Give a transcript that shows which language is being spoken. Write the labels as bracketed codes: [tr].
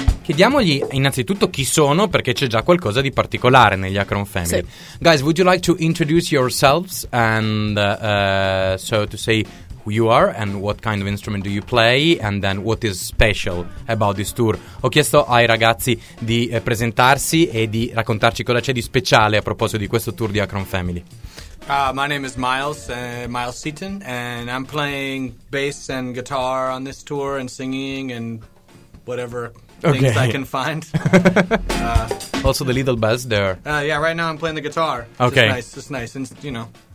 [it] Chiediamogli innanzitutto chi sono, perché c'è già qualcosa di particolare negli Akron Family. Sì. [en] Guys, would you like to introduce yourselves and so to say who you are and what kind of instrument do you play and then what is special about this tour? [it] Ho chiesto ai ragazzi di presentarsi e di raccontarci cosa c'è di speciale a proposito di questo tour di Akron Family. [en] My name is Miles Seaton, and I'm playing bass and guitar on this tour and singing and whatever things I can find. Also the little bass there. Yeah, right now I'm playing the guitar. Okay. It's nice, and you know.